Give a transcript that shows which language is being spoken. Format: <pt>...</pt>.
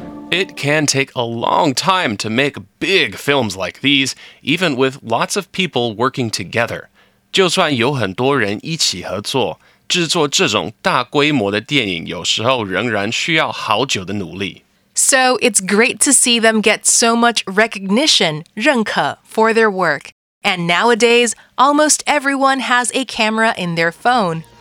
<en>It can take a long time to make big films like these, even with lots of people working together.</en> <zh>就算有很多人一起合作，制作这种大规模的电影有时候仍然需要好久的努力。</zh> <en>So it's great to see them get so much recognition, 认可, for their work. And nowadays, almost everyone has a camera in their phone.</en>